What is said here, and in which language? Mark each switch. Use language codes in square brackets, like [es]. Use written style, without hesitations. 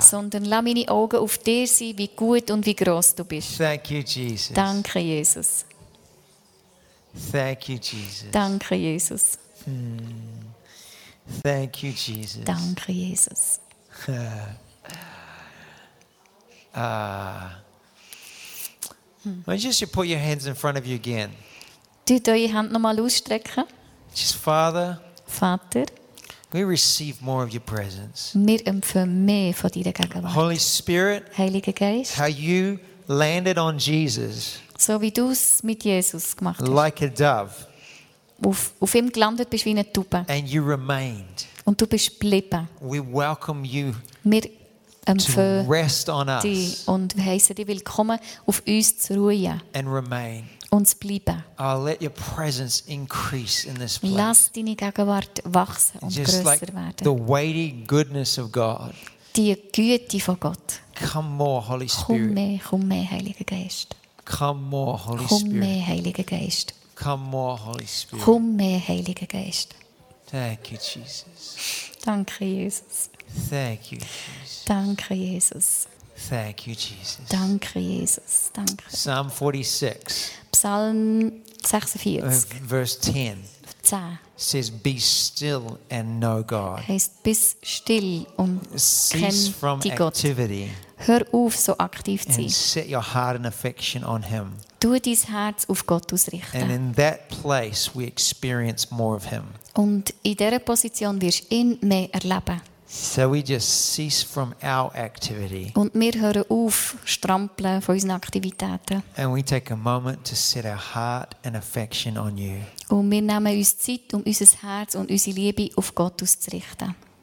[de] Sondern lass meine Augen auf dir sein, wie gut und wie groß du bist. [en] Thank you, Jesus. [de] Danke, Jesus. [en] Thank you, Jesus. [de] Danke, Jesus. [en] Thank you, Jesus. [de] Danke, Jesus. [en] Why don't you just put your hands in front of you again? [de] Du tue die Hand nochmal ausstrecken. [en] Just Father. [de] Vater. [en] We receive more of your presence. [de] Wir empfangen mehr von deiner Gegenwart. [en] Holy Spirit. [de] Heiliger Geist. [en] How you landed on Jesus. [de] So wie du es mit Jesus gemacht hast. [en] Like a dove. [de] Auf ihm gelandet bist wie eine Taube. [en] And you remained. [de] Und du bist geblieben. [en] We welcome you. [de] Wir [en] to rest on us. [de] Und heißen dich willkommen, auf uns zu ruhen. [en] And remain. [de] Und zu bleiben. [en] I'll let your presence increase in this place. [de] Lass deine Gegenwart wachsen und [en] just [de] grösser [en] like [de] werden. [en] The weighty goodness of God. [de] Die Güte von Gott. [en] Come more, Holy Spirit. [de] Komm mehr, Heiliger Geist. [en] Come more, Holy Spirit. [de] Komm mehr, Heiliger Geist. [en] Come more, Holy Spirit. [de] Komm mehr, Heiliger Geist. [en] Thank you, Jesus. [de] Danke, Jesus. [en] Thank you, Jesus. [de] Danke, Jesus. [en] Thank you, Jesus. [de] Danke, Jesus. Danke. [en] Psalm 46. [de] Psalm 46. [en] Verse 10. Says, be still and know God. [de] Heißt, bis still und kenn Gott. [en] Cease from activity. [de] Hör auf, so aktiv zu sein. [en] And set your heart and affection on Him. [de] Tu dein Herz auf Gott ausrichten. [en] And in that place, we experience more of Him. [de] Und in dieser Position wirst du ihn mehr erleben. [en] So we just cease from our activity. [de] Und wir hören auf, strampeln von unseren Aktivitäten. [en] And we take a moment to set our heart and affection on you. [de] Und wir nehmen uns Zeit, unser Herz und unsere Liebe auf Gott auszurichten.